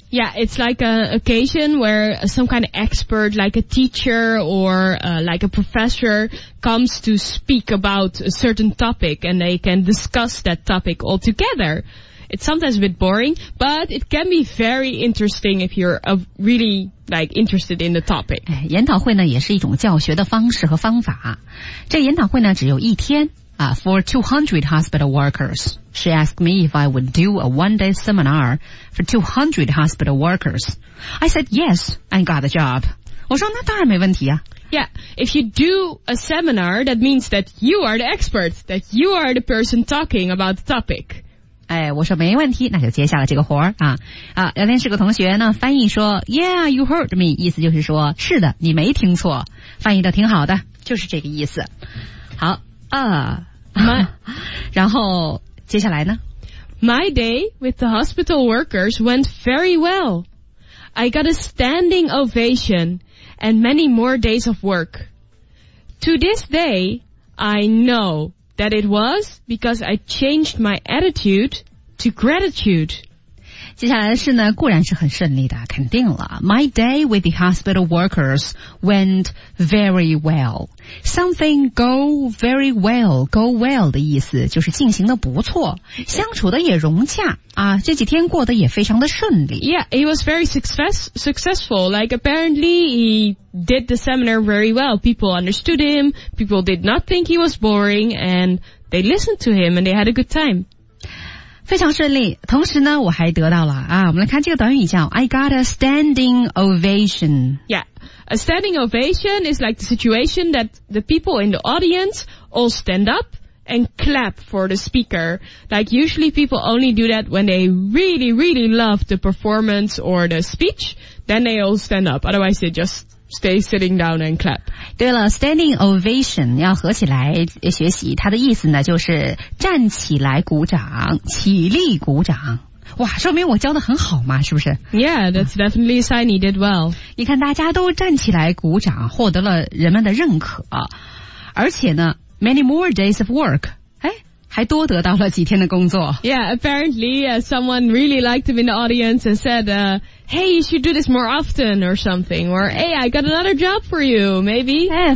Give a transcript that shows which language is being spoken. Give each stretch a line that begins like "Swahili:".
English: Yeah, it's like an occasion where some kind of expert, like a teacher or like a professor comes to speak about a certain topic and they can discuss that topic all together. It's sometimes a bit boring, but it can be very interesting if you're a reallyLike interested in the topic.
Chinese: 研讨会呢也是一种教学的方式和方法。这研讨会呢只有一天啊 ,
English: for 200 hospital workers. She asked me if I would do a one day seminar for 200 hospital workers. I said yes and got the job.
Chinese: 我说那当然没问题啊。
English: Yeah, if you do a seminar, that means that you are the expert, that you are the person talking about the topic.
Chinese: 哎，我说没问题，那就接下了这个活儿啊啊！聊天室个同学呢，翻译说 ，
English: Yeah, you heard me，
Chinese: 意思就是说，是的，你没听错，翻译的挺好的，就是这个意思。好啊，然后接下来呢
English: ？My day with the hospital workers went very well. I got a standing ovation and many more days of work. To this day, I know. That it was because I changed my attitude to gratitude.
Chinese: 接下来的事呢固然是很顺利的肯定了。
English: My day with the hospital workers went very well. Something go well
Chinese: 的意思就是进行的不错相处的也融洽啊这几天过得也非常的顺利。
English: Yeah, he was very successful. Like apparently he did the seminar very well. People understood him, people did not think he was boring and they listened to him and they had a good time.
Chinese: 非常顺利同时呢我还得到了啊我们来看这个短语叫
English: I got a standing ovation. Yeah, a standing ovation is like the situation that the people in the audience all stand up and clap for the speaker. Like usually people only do that when they really, really love the performance or the speech, then they all stand up. Otherwise they just... Stay sitting down and clap.
Chinese: 对了 standing ovation 要合起来学习它的意思呢就是站起来鼓掌起立鼓掌哇，说明我教得很好嘛，是不是？
English: Yeah, that's definitely a sign you did well.
Chinese: 你看大家都站起来鼓掌，获得了人们的认可，而且呢
English: many more days of work,
Chinese: 还多得到了几天的工作。
English: Yeah, apparently, someone really liked him in the audience and said, hey, you should do this more often or something, or, hey, I got another job for you, maybe.